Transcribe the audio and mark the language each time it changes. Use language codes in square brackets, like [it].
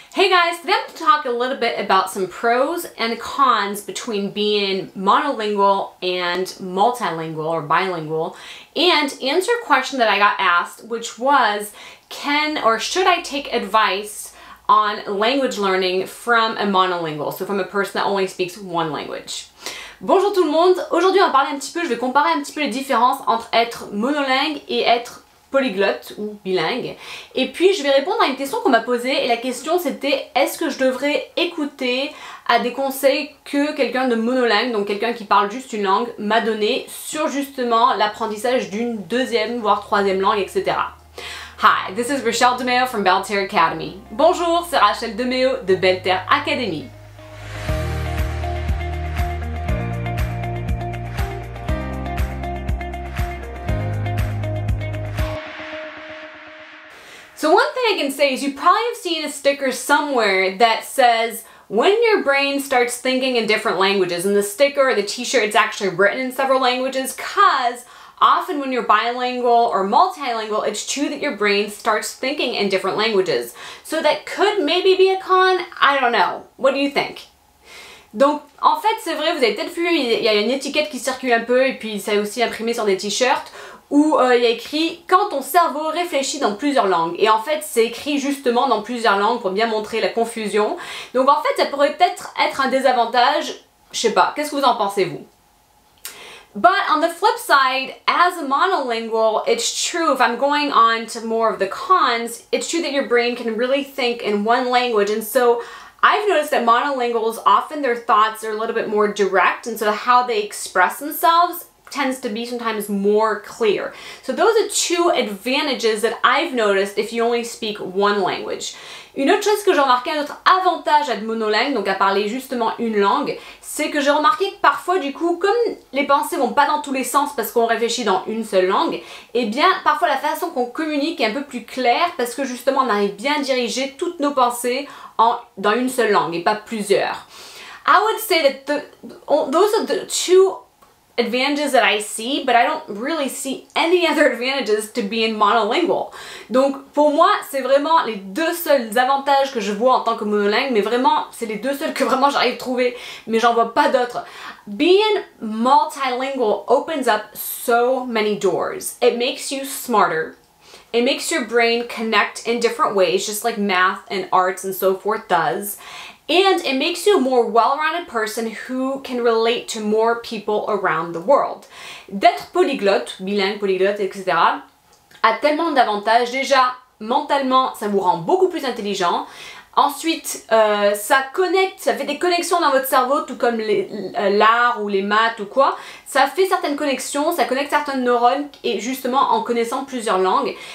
[en] Hey guys, today I'm going to talk a little bit about some pros and cons between being monolingual and multilingual or bilingual, and answer a question that I got asked, which was, can or should I take advice on language learning from a monolingual, so from a person that only speaks one language. [fr] Bonjour tout le monde, aujourd'hui on va parler un petit peu, je vais comparer un petit peu les différences entre être monolingue et être polyglotte ou bilingue. Et puis je vais répondre à une question qu'on m'a posée, et la question c'était, est-ce que je devrais écouter à des conseils que quelqu'un de monolingue, donc quelqu'un qui parle juste une langue, m'a donné sur justement l'apprentissage d'une deuxième voire troisième langue, etc. [en] Hi, this is Rachel DeMeo from Belle Terre Academy. [fr] Bonjour, c'est Rachel DeMeo de Belle Terre Academy. [en] So one thing I can say is you probably have seen a sticker somewhere that says when your brain starts thinking in different languages, and the sticker or the t-shirt, it's actually written in several languages, because often when you're bilingual or multilingual, it's true that your brain starts thinking in different languages. So that could maybe be a con, I don't know. What do you think? [fr] Donc, en fait, c'est vrai, vous avez peut-être vu, il y a une étiquette qui circule un peu, et puis ça est aussi imprimé sur des t-shirts, où il y a écrit « Quand ton cerveau réfléchit dans plusieurs langues ». Et en fait, c'est écrit justement dans plusieurs langues pour bien montrer la confusion. Donc en fait, ça pourrait peut-être être un désavantage, je sais pas, qu'est-ce que vous en pensez, vous? [en] But on the flip side, as a monolingual, it's true, if I'm going on to more of the cons, it's true that your brain can really think in one language, and so I've noticed that monolinguals, often their thoughts are a little bit more direct, and so how they express themselves tends to be sometimes more clear. So those are two advantages that I've noticed if you only speak one language. [fr] Une autre chose que j'ai remarqué, un autre avantage à être monolingue, donc à parler justement une langue, c'est que j'ai remarqué que parfois du coup, comme les pensées vont pas dans tous les sens parce qu'on réfléchit dans une seule langue, eh bien parfois la façon qu'on communique est un peu plus claire parce que justement on arrive bien à diriger toutes nos pensées dans une seule langue et pas plusieurs. [en] I would say that those are the two advantages that I see, but I don't really see any other advantages to being monolingual. [fr] Donc pour moi, c'est vraiment les deux seuls avantages que je vois en tant que monolingue, mais vraiment, c'est les deux seuls que vraiment j'arrive à trouver, mais j'en vois pas d'autres. [en] Being multilingual opens up so many doors. It makes you smarter. It makes your brain connect in different ways, just like math and arts and so forth does. And it makes you a more well-rounded person who can relate to more people around the world. [fr] D'être polyglotte, bilingue, polyglotte, etc., a tellement d'avantages. Déjà, mentalement, ça vous rend beaucoup plus intelligent. Ensuite, ça connecte, ça fait des connexions dans votre cerveau, tout comme l'art ou les maths ou quoi. Ça fait certaines connexions, ça connecte certaines neurones, et justement en connaissant plusieurs langues.